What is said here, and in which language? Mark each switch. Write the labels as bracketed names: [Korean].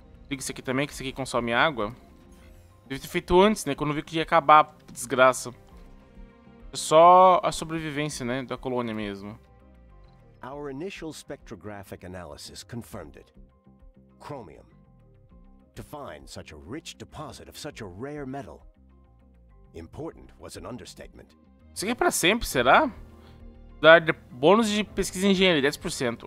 [Portuguese] Liga isso aqui também, que isso aqui consome água. Deve ter feito antes, né? Quando eu vi que ia acabar, desgraça. É só a sobrevivência, né? Da colônia mesmo. [English] Our initial spectrographic analysis confirmed it. Chromium. To find such a rich deposit of such a rare metal. Important was an understatement. [Portuguese] Isso aqui é pra sempre, será? dar bônus de pesquisa em engenharia, 10%.